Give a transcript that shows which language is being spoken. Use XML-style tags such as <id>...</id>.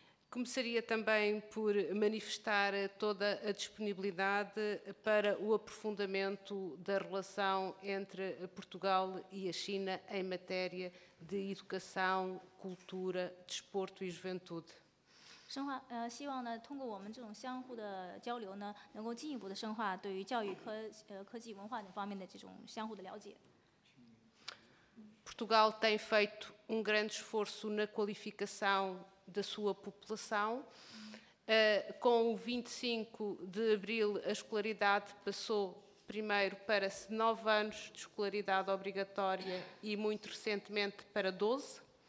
<pt>Começaria também por manifestar toda a disponibilidade para o aprofundamento da relação entre Portugal e a China em matéria de educação, cultura, desporto e juventude.</pt> <zh>希望呢，通过我们这种相互的交流呢，能够进一步的深化对于教育、科技、文化等方面的这种相互的了解。</zh> <pt>Portugal tem feito um grande esforço na qualificação da sua população. Com o 25 de abril, a escolaridade passou primeiro para 9 anos de escolaridade obrigatória e, muito recentemente, para 12.</pt>